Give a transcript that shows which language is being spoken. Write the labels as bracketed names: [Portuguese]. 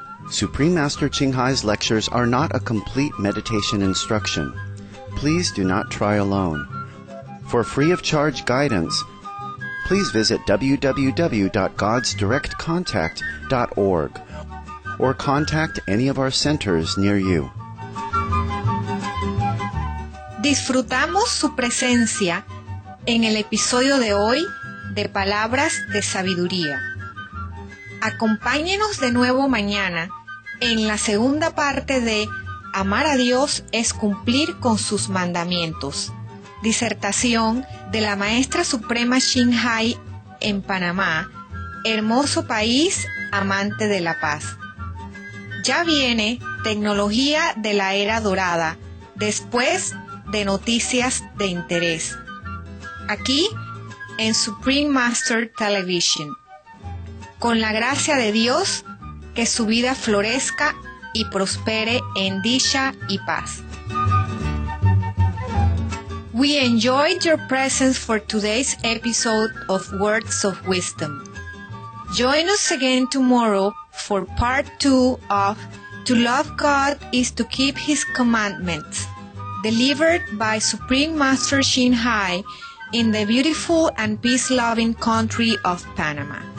[English] Supreme Master Qinghai's lectures are not a complete meditation instruction. Please do not try alone. For free of charge guidance, please visit www.godsdirectcontact.org or contact any of our centers near you. [Spanish] Disfrutamos su presencia en el episodio de hoy de Palabras de Sabiduría. Acompáñenos de nuevo mañana en la segunda parte de Amar a Dios es cumplir con sus mandamientos, disertación de la Maestra Suprema Qinghai en Panamá, hermoso país amante de la paz. Ya viene Tecnología de la Era Dorada, después de Noticias de Interés, aquí en Supreme Master Television. Con la gracia de Dios, que su vida florezca y prospere en dicha y paz. [English] We enjoyed your presence for today's episode of Words of Wisdom. Join us again tomorrow for part 2 of To Love God is to Keep His Commandments, delivered by Supreme Master Xinhai in the beautiful and peace-loving country of Panama.